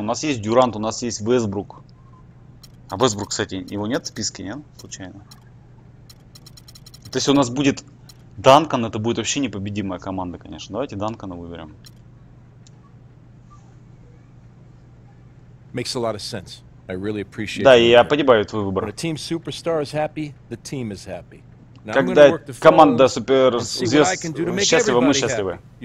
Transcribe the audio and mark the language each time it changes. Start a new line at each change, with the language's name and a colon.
Russian: У нас есть Дюрант, у нас есть Вестбрук. А Вестбрук, кстати, его нет в списке, нет? Случайно. То есть у нас будет Данкан, это будет вообще непобедимая команда, конечно. Давайте Данкана выберем.
English: Makes a lot of sense. I really appreciate it.
Russian: Да, я понимаю твой выбор.
English: When a team superstar is happy, the team is happy.
Russian: Когда команда суперзвезд счастлива, мы счастливы.